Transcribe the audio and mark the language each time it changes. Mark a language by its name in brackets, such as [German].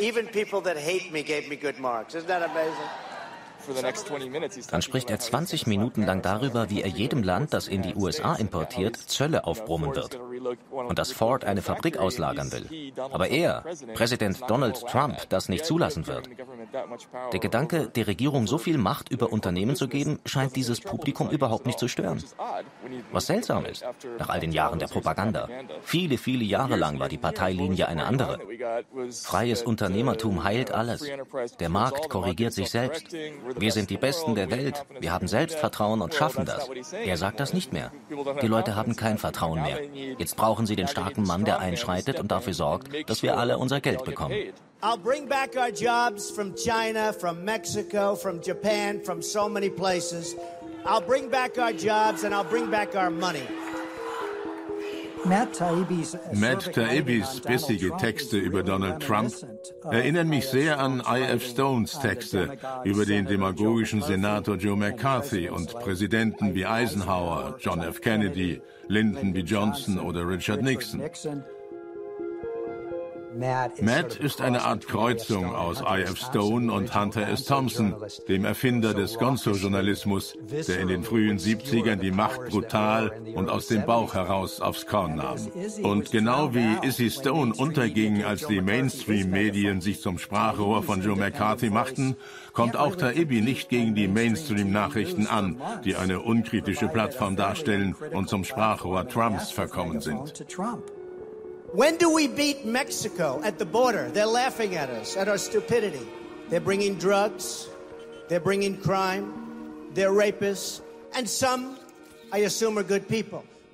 [English] Even people that hate me gave me good marks. Isn't that amazing? [German] Dann spricht er 20 Minuten lang darüber, wie er jedem Land, das in die USA importiert, Zölle aufbrummen wird und dass Ford eine Fabrik auslagern will. Aber er, Präsident Donald Trump, das nicht zulassen wird. Der Gedanke, der Regierung so viel Macht über Unternehmen zu geben, scheint dieses Publikum überhaupt nicht zu stören. Was seltsam ist, nach all den Jahren der Propaganda. Viele, viele Jahre lang war die Parteilinie eine andere. Freies Unternehmertum heilt alles. Der Markt korrigiert sich selbst. Wir sind die Besten der Welt. Wir haben Selbstvertrauen und schaffen das. Er sagt das nicht mehr. Die Leute haben kein Vertrauen mehr. Jetzt brauchen sie den starken Mann, der einschreitet und dafür sorgt, dass wir alle unser Geld bekommen. [English] I'll bring back our jobs from China, from Mexico, from Japan, from so many places. I'll bring back our jobs and I'll bring back our money. [German] Matt Taibbis bissige Texte über Donald Trump erinnern mich sehr an I.F. Stones Texte über den demagogischen Senator Joe McCarthy und Präsidenten wie Eisenhower, John F. Kennedy, Lyndon B. Johnson oder Richard Nixon. Matt ist eine Art Kreuzung aus I.F. Stone und Hunter S. Thompson, dem Erfinder des Gonzo-Journalismus, der in den frühen 70ern die Macht brutal und aus dem Bauch heraus aufs Korn nahm. Und genau wie Izzy Stone unterging, als die Mainstream-Medien sich zum Sprachrohr von Joe McCarthy machten, kommt auch Taibbi nicht gegen die Mainstream-Nachrichten an, die eine unkritische Plattform darstellen und zum Sprachrohr Trumps verkommen sind. [English] When do we beat Mexico at the border? They're laughing at us, at our stupidity. They're bringing drugs, they're bringing crime, they're rapists, and some, I assume, are good people.